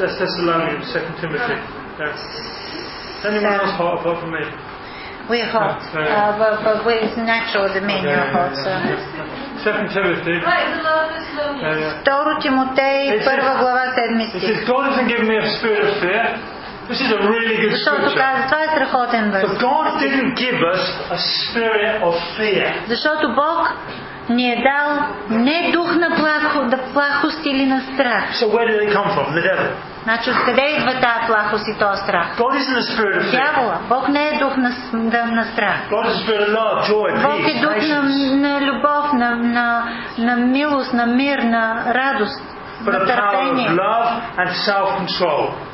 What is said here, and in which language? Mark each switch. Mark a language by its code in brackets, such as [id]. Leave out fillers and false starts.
[en] Thessalonians, 2 Timothy. Yeah. Anyone else hot apart from me? We're hot. But it's natural to me, okay, you're hot, yeah. So. 2 [bg] Timothy 1 глава 7 стих. [en] It says, God doesn't give me a spirit of fear. This is a really good scripture. [bg] Това е страхотен вър. [en] But God didn't give us a spirit of fear. [bg] Защото Бог ни е дал не дух на плахост или на страх. [en] So where do they come from? The devil. [bg] Значи, откъде идва тази плахост и този страх? [en] God isn't a spirit of fear. [bg] Дявола. Бог не е дух на страх. [en] God is a spirit of love, joy, peace, [bg] Бог е дух на любов, на милост, на мир, на радост, на търпение. [en] But a power of love and self-control.